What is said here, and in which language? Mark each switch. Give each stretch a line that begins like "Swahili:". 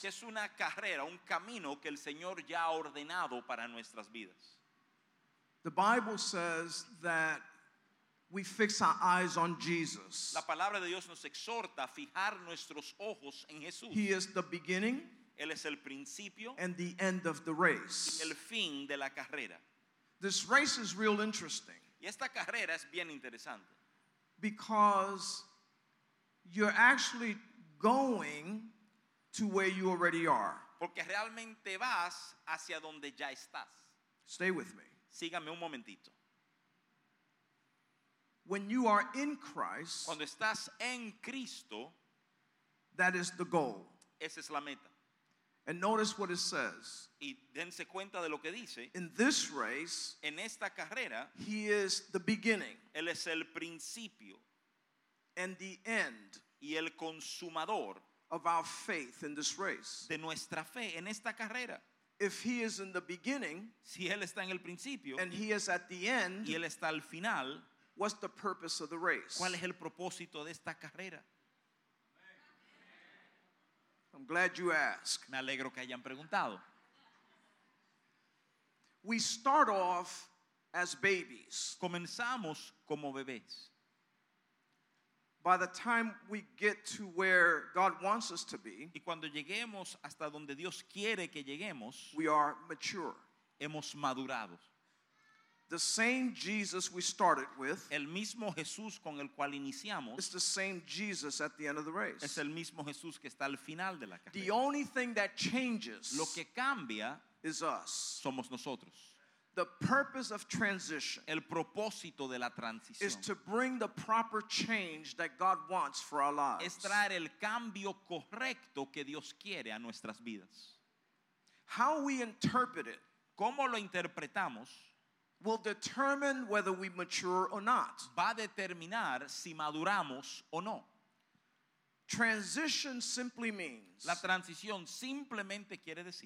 Spanish: Que es una carrera, un camino que el Señor ya ha ordenado para nuestras vidas.
English: The Bible says that we fix our eyes on Jesus.
Spanish: La palabra de Dios nos exhorta a fijar nuestros ojos en Jesús.
English: He is the beginning.
Spanish: Él es el principio.
English: And the end of the race.
Spanish: Y el fin de la carrera.
English: This race is real interesting.
Spanish: Y esta carrera es bien interesante.
English: Because you're actually going to where you already are.
Spanish: Porque realmente vas hacia donde ya estás.
English: Stay with me.
Spanish: Sígame un momentito.
English: When you are in Christ,
Spanish: cuando estás en Cristo,
English: that is the goal.
Spanish: Esa es la meta.
English: And notice what it says.
Spanish: Y dense cuenta de lo que dice.
English: In this race,
Spanish: en esta carrera,
English: he is the beginning.
Spanish: Él es el principio.
English: And the end.
Spanish: Y el consumador.
English: Of our faith in this race.
Spanish: De nuestra fe en esta carrera.
English: If he is in the beginning,
Spanish: si él está en el principio,
English: and he is at the end,
Spanish: y él está al final,
English: what's the purpose of the race?
Spanish: ¿Cuál es el propósito de esta carrera?
English: I'm glad you asked.
Spanish: Me alegro que hayan preguntado.
English: We start off as babies.
Spanish: Comenzamos como bebés.
English: By the time we get to where God wants us to be,
Spanish: y cuando lleguemos hasta donde Dios quiere que lleguemos,
English: we are mature.
Spanish: Hemos madurado.
English: The same Jesus we started with,
Spanish: el mismo Jesús con el cual iniciamos,
English: is the same Jesus at the end of the race.
Spanish: Es el mismo Jesús que está al final de la carrera.
English: The only thing that changes,
Spanish: lo que cambia,
English: is us.
Spanish: Somos nosotros.
English: The purpose of transition,
Spanish: el propósito de la transición,
English: is to bring the proper change that God wants for our lives.
Spanish: Es traer el cambio correcto que Dios quiere a nuestras vidas.
English: How we interpret it,
Spanish: cómo lo interpretamos,
English: will determine whether we mature or not.
Spanish: Va a determinar si maduramos o no.
English: Transition simply means
Spanish: la transición simplemente quiere decir